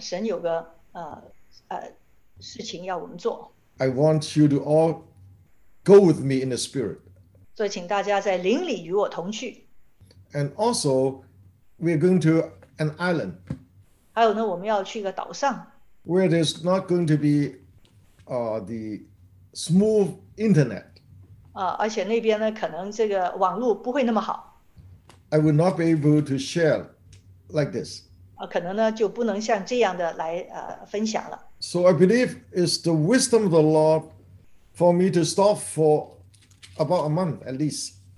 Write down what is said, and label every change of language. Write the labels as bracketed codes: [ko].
[zh] 神有个事情要我们做。 [en] I want you to all go with me in the spirit. [zh] 所以请大家在灵里与我同去。 [en] And also, we're going to an island. [zh] 还有呢，我们要去一个岛上。 [en] Where there's not going to be the smooth internet. [zh] 而且那边呢，可能这个网络不会那么好。 [en] I will not be able to share like this. [zh] 可能呢就不能像这样的来分享了。 [en] So I believe it's the wisdom of the Lord for me to stop for about a month at least.